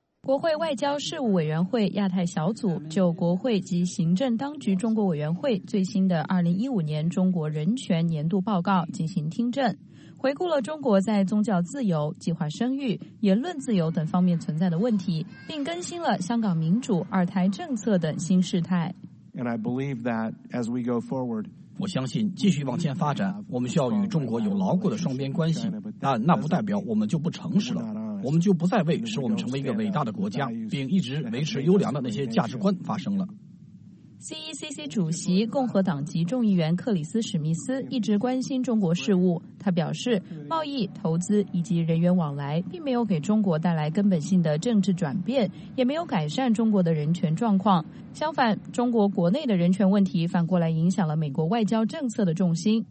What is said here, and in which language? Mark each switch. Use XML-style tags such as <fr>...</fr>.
<zh>国会外交事务委员会亚太小组就国会及行政当局中国委员会最新的2015年中国人权年度报告进行听证，回顾了中国在宗教自由、计划生育、言论自由等方面存在的问题，并更新了香港民主、二胎政策等新事态。</zh> <en>And I believe that as we go forward,</en> <zh>我相信继续往前发展，我们需要与中国有牢固的双边关系，但那不代表我们就不诚实了，我们就不再为使我们成为一个伟大的国家并一直维持优良的那些价值观发声了。 CECC 主席共和党籍众议员克里斯·史密斯一直关心中国事务，他表示贸易、投资以及人员往来并没有给中国带来根本性的政治转变，也没有改善中国的人权状况，相反，中国国内的人权问题反过来影响了美国外交政策的重心。</zh>